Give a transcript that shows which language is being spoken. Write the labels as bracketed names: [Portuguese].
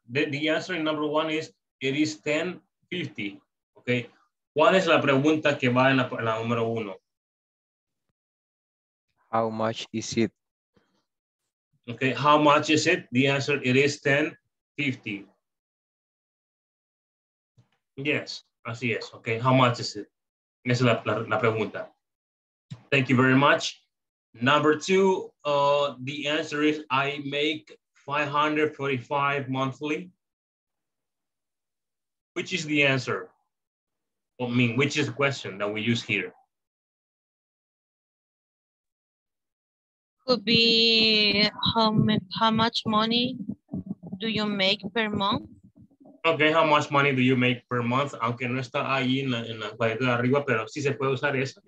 [English] The answer in number one is, it is 10:50. [Spanish] Okay, ¿cuál es la pregunta que va en la número uno? [English] How much is it? Okay, how much is it? The answer, it is 10:50. Yes, [Spanish] así es. [English] Okay, how much is it? [Spanish] Esa es la pregunta. [English] Thank you very much. Number two, the answer is I make 545 monthly. Which is the answer? I mean, which is the question that we use here? Could be how much money do you make per month? Okay, how much money do you make per month? [Spanish] Aunque no está ahí en la cuadrícula de arriba, pero sí se puede usar eso.